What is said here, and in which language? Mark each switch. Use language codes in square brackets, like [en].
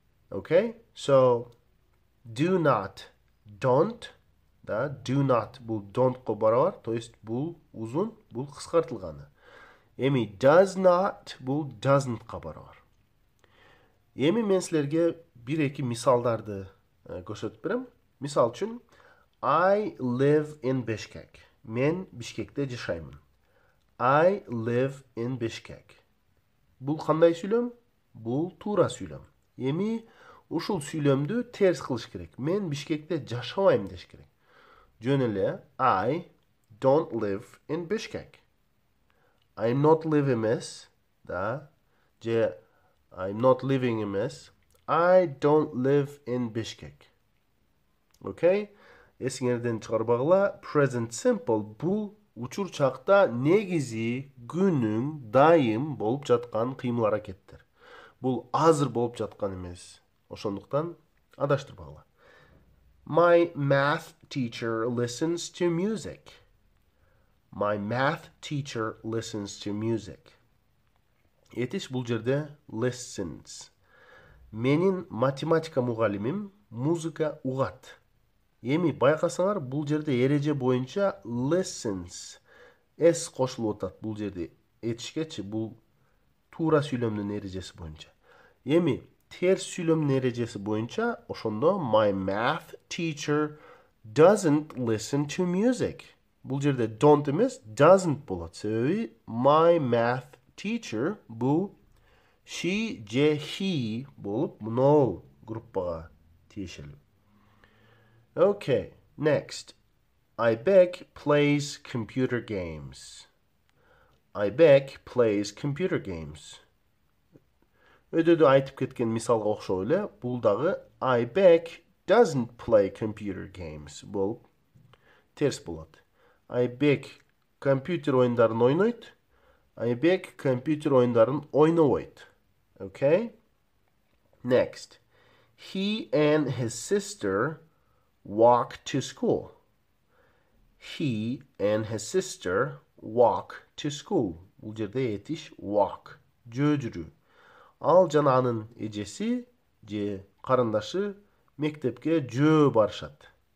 [en] Okay? So do not, don't. [ky] Да, do not бул don't ко барабар, то есть бул узун, бул кыскартылганы. Эми does not бул doesn't ка барабар. Эми мен силерге 1-2 мисалдарды көрсөтүп берем. Мисал үчүн [en] I live in Bishkek. [ky] Мен Бишкекте жашаймын. [en] I live in Bishkek. [ky] Бул кандай сүйлөм? Бул туура сүйлөм. Эми ушул сүйлөмдү терс кылыш керек. Мен Бишкекте жашабайм деш керек. Жөн эле [en] I don't live in Bishkek. I am not live [ky] эмес, да? Же [en] I am not living [ky] эмес. [en] I don't live in Bishkek. Okay? [ky] Эсиңерден чыгарбагыла, present simple бул учур чакта негизи, күнүң, дайым болуп жаткан кыймыл аракеттер. Бул азыр болуп жаткан эмес. Ошондуктан адаштырбагыла. [en] My math teacher listens to music. My math teacher listens to music. [ky] Этиш бул жерде listens. Менин математика мугалимим музыка угат. Эми байкасаңар бул жерде эреже боюнча listens. S кошулуп атат бул жерде этишкечи бул туура сүйлөмдүн эрежеси боюнча. Эми терс сүйлөмдүн эрежеси боюнча ошондо [en] my math teacher doesn't listen to music. [ky] Бул жерде don't эмес doesn't болот. Себеби [en] my math teacher [ky] бул She же he болуп мынол группага тиешелүү. [en] Okay, next. Айбек plays computer games. Айбек plays computer games. [ky] Өдөдө айтып кеткен мисалга окшоо эле, бул дагы [en] Айбек doesn't play computer games [ky] болуп терс болот. Айбек компьютер оюндарын ойнойт. Айбек компьютер оюндарын ойнобойт. [en] Okay? Next. He and his sister walk to school. He and his sister walk to school. [ky] Бул жерде этиш walk. Жөөжүрү. Ал жана анын эжеси же карындашы мектепке жөө барышат.